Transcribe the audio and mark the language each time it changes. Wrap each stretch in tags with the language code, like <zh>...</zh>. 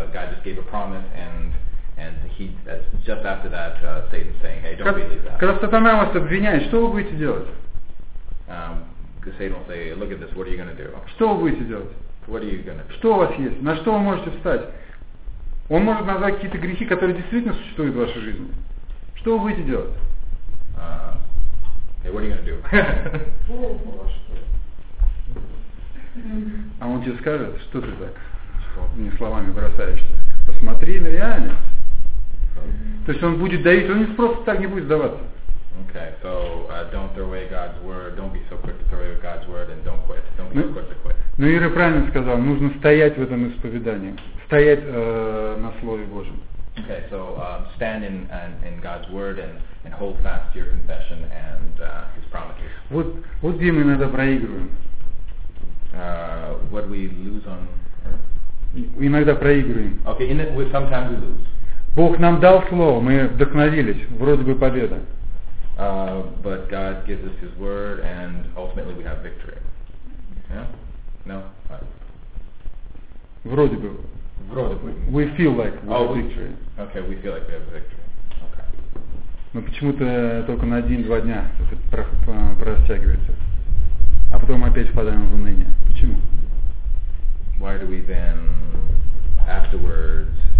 <en>God just gave a promise and he just after that Satan's saying, "Hey, don't believe that."</en> <ru>Когда сатана вас обвиняет, что вы будете делать?</ru> <en>Satan will say, "Look at this. What are you going to do?"</en> <ru>Что вы будете делать?</ru> <en>What are you going to do?</en> <ru>Что у вас есть? На что вы можете встать? Он может назвать какие-то грехи, которые действительно существуют в вашей жизни. Что вы будете делать?</ru> <en>Hey, what are you going to do?</en> <ru>А он тебе скажет, что ты так не словами бросаешься. Посмотри на реальность. То есть он будет давить, он просто так не будет сдаваться.</ru> <en>Okay, so don't throw away God's word, don't be so quick to throw away God's word, and don't quit, don't be so quick to quit.</en> <ru>Ну, Ира правильно сказал, нужно стоять в этом исповедании, стоять на Слове Божьем.</ru> <en>Okay, so stand in God's word and hold fast to your confession and his promises.</en> <ru>Вот где мы иногда проигрываем.</ru> <en>What we lose on earth?</en> <ru>Иногда проигрываем.</ru> <en>Okay, in it, we sometimes lose.</en> <ru>Бог нам дал Слово, мы вдохновились, вроде бы победа.</ru> <en>But God gives us His word, and ultimately we have victory. Yeah? No?</en> <ru>Вроде бы. Вроде бы.</ru> <en>We feel like we have victory. Okay, we feel like we have victory. Okay.</en> <ru>Но почему-то только на 1-2 дня это растягивается. А потом опять впадаем в уныние. Почему?</ru> <en>Why do we then, afterwards...</en>